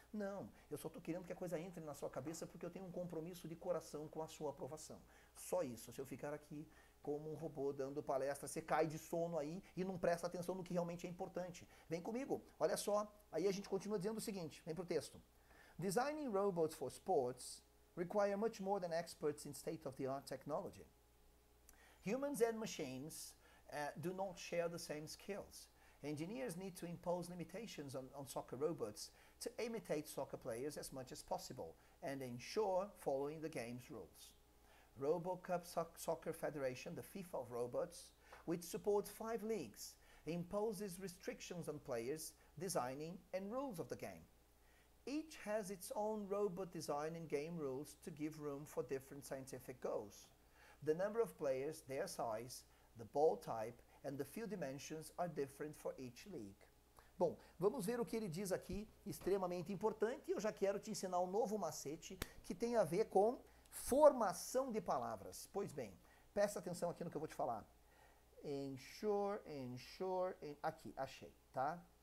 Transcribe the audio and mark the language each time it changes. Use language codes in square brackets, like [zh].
[pt] Não, eu só estou querendo que a coisa entre na sua cabeça porque eu tenho um compromisso de coração com a sua aprovação. Só isso. Se eu ficar aqui como um robô dando palestra, você cai de sono aí e não presta atenção no que realmente é importante. Vem comigo, olha só. Aí a gente continua dizendo o seguinte: vem para o texto. [en] Designing robots for sports require much more than experts in state-of-the-art technology. Humans and machines do not share the same skills. Engineers need to impose limitations on soccer robots to imitate soccer players as much as possible and ensure following the game's rules. RoboCup Soccer Federation, the FIFA of robots, which supports five leagues, imposes restrictions on players, designing, and rules of the game. Each has its own robot design and game rules to give room for different scientific goals. The number of players, their size, the ball type, and the field dimensions are different for each league. [pt] Bom, vamos ver o que ele diz aqui, extremamente importante, e eu já quero te ensinar um novo macete que tem a ver com formação de palavras. Pois bem, presta atenção aqui no que eu vou te falar. Ensure, ensure, aqui, achei, tá?